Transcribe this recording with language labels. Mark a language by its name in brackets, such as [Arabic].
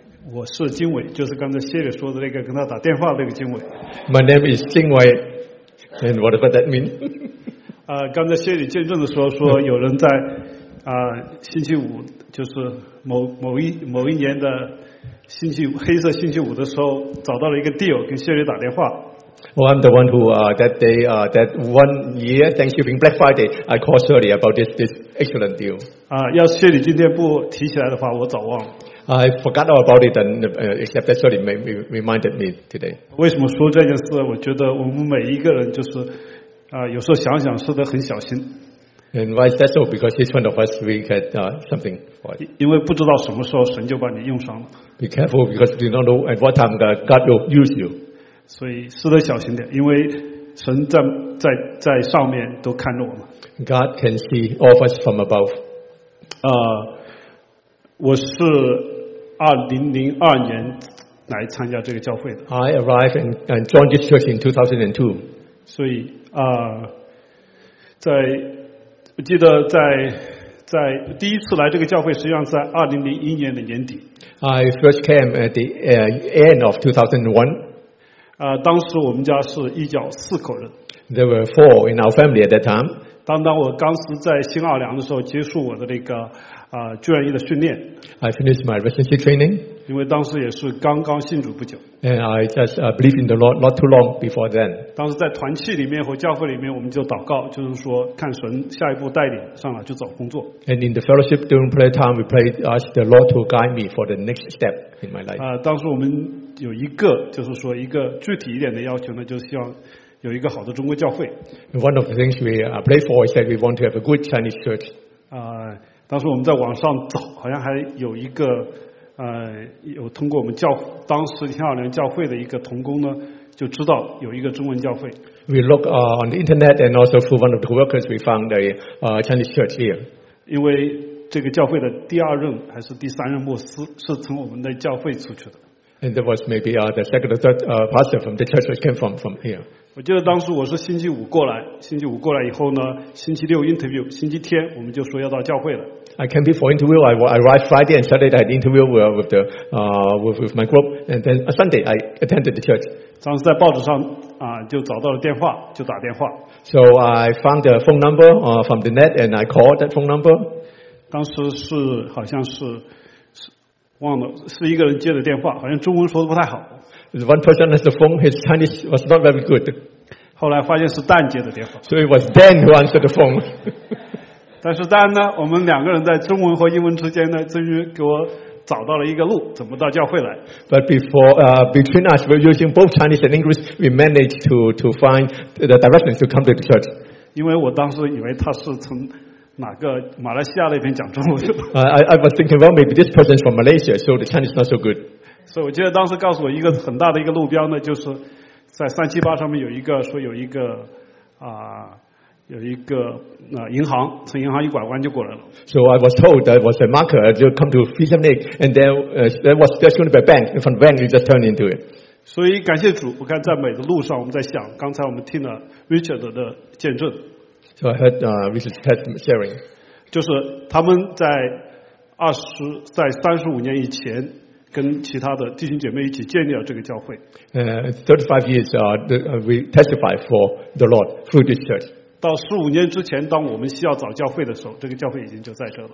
[Chinese] 我是金伟，就是刚才谢里说的那个跟他打电话那个金伟。 [English] My name is 金伟 ，and whatever that means. [Chinese] 刚才谢里见证的时候说有人在星期五，就是某一年的星期黑色星期五的时候，找到了一个 deal 跟谢里打电话。 [English] Well, I'm the one who that one year Thanksgiving Black Friday I called Shirley about this excellent deal. [Chinese] 要Shirley今天不提起来的话，我早忘。 [English] I forgot all about it, and except that Shirley reminded me today. [Chinese] 为什么说这件事？我觉得我们每一个人就是有时候想想说得很小心。 [English] And why is that so? Because each one of us, we get something for it. [Chinese] 因为不知道什么时候神就把你用上了。 [English] Be careful, because you don't know at what time God will use you. [Chinese] 所以是得小心点，因为神在上面都看着我们。 [English] God can see all of us from above. [Chinese] 我是2002年来参加这个教会的。 [English] I arrived and joined this church in 2002. [Chinese] 所以在我记得在第一次来这个教会，实际上在2001年的年底。 [English] I first came at the end of 2001. [Chinese] 当时我们家是一家四口人。 [English] There were four in our family at that time. [Chinese] 当我当时在新奥尔良的时候结束我的那个住院医的训练。 [English] I finished my residency training. [Chinese] 因为当时也是刚刚信主不久。 [English] And I just believed in the Lord not too long before then. [Chinese] 当时在团契里面和教会里面我们就祷告，就是说看神下一步带领上来就找工作。 [English] And in the fellowship during prayer time, we prayed, asked the Lord to guide me for the next step in my life. [Chinese] 当时我们有一个就是说一个具体一点的要求呢，就是希望有一个好的中国教会。 [English] One of the things we pray for is that we want to have a good Chinese church. [Chinese] 当时我们在网上找，好像还有一个有通过我们教当时天主教会的一个同工呢，就知道有一个中文教会。 [English] We look on the internet and also through one of the workers, we found a Chinese church here. [Chinese] 因为这个教会的第二任还是第三任牧师是从我们的教会出去的。 [English] And there was maybe the second or third pastor from the church which came from here. [Chinese] 我记得当时我是星期五过来，星期五过来以后呢，星期六 interview， 星期天我们就说要到教会了。 [English] I came before interview. I arrived Friday and Saturday. I had interview with the with my group, and then Sunday I attended the church. [Chinese] 当时在报纸上就找到了电话，就打电话。 [English] So I found the phone number from the net and I called that phone number. [Chinese] 当时是好像是。忘了是一个人接的电话，好像中文说的不太好。 [English] One person has the phone. His Chinese was not very good. [Chinese] 后来发现是Dan接的电话。 [English] So it was Dan who answered the phone. [Chinese] 但是Dan呢，我们两个人在中文和英文之间呢，终于给我找到了一个路，怎么到教会来。 [English] But between us, we're using both Chinese and English. We managed to find the directions to come to the church. [Chinese] 因为我当时以为他是从哪个马来西亚那边讲中文。 [English] I was thinking, well, maybe this person is from Malaysia, so the Chinese is not so good. [Chinese] 所以我记得当时告诉我一个很大的一个路标呢，就是在378上面有一个说有一个银行，从银行一拐弯就过来了。 [English] So I was told that was a marker, you come to Fisher Lake, and there was just going to be a bank, and from the bank you just turn into it. [Chinese] 所以感谢主，我看在美的路上，我们在想刚才我们听了 Richard 的见证。 [English] So I heard Richard's test sharing. [Chinese] 就是他们在三十五年以前跟其他的弟兄姐妹一起建立了这个教会。 [English] 35 years we testify for the Lord through this church. [Chinese] 到十五年之前，当我们需要找教会的时候，这个教会已经就在这了。